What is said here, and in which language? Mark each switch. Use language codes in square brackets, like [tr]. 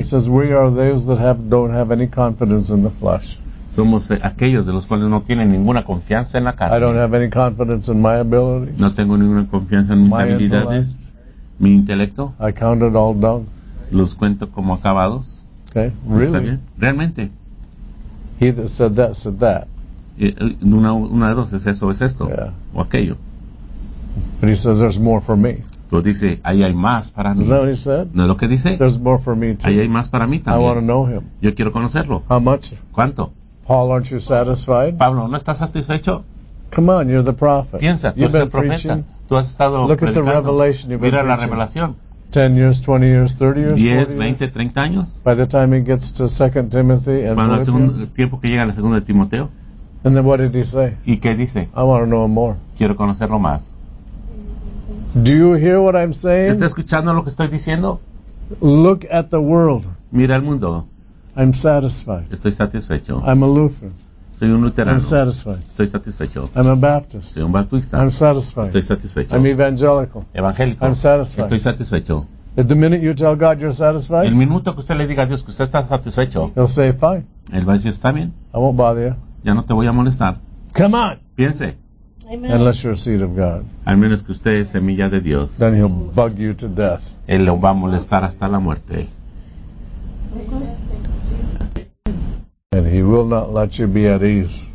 [en] He says, "We are those that don't have any confidence." In the flesh. [es] Somos aquellos de los cuales no tienen ninguna confianza en la carne. [en] I don't have any confidence in my abilities. [es] No tengo ninguna confianza en mis habilidades. [en] Intellect. [es] Mi intelecto. [en] I count it all done. [es] Los cuento como acabados. [en] Okay. Really? [es] ¿Está bien? Realmente. [en] He that said that said that. [es] Una de dos es eso es esto [en] yeah. [es] O aquello. [en] But he says there's more for me. [es] Pero dice, ahí hay más para mí. [en] Is that what he said? [es] ¿No es lo que dice? [en] There's more for me too. [es] Ahí hay más para mí también. [en] I want to know him. [es] Yo quiero conocerlo. [en] How much? [es] ¿Cuánto? [en] Paul, aren't you satisfied? [es] Pablo, ¿no estás satisfecho? [en] Come on, you're the prophet. [es] Piensa, tú eres el profeta. Tú has estado predicando. [en] Look at the revelation you've been preaching. [es] Mira la revelación. [en] 10 years, 20 years, 30 years, [es] 10, 40 20, 30 años. [en] By the time he gets to 2 Timothy and Philippians. [es] Cuando el tiempo que llega a la segunda de Timoteo. [en] And then what did he say? [es] ¿Y qué dice? [en] I want to know him more. [es] Quiero conocerlo más. [en] Do you hear what I'm saying? [es] ¿Estás escuchando lo que estoy diciendo? [en] Look at the world. [es] Mira el mundo. [en] I'm satisfied. [es] Estoy satisfecho. [en] I'm a Lutheran. [es] Soy un luterano. [en] I'm satisfied. [es] Estoy satisfecho. [en] I'm a Baptist. [es] Soy un bautista. [en] I'm satisfied. [es] Estoy satisfecho. [en] I'm evangelical. [es] Evangélico. [en] I'm satisfied. [es] Estoy satisfecho. [en] At the minute you tell God you're satisfied. [es] El minuto que usted le diga a Dios que usted está satisfecho. [en] He'll say fine. [es] Él va a decir está bien. [en] I won't bother you. [es] Ya no te voy a molestar. [en] Come on. [es] Piense. [en] Amen. Unless you're a seed of God. [es] Al menos que usted es semilla de Dios. [en] Then he'll bug you to death. [es] Él lo va a molestar hasta la muerte. [en] And he will not let you be at ease.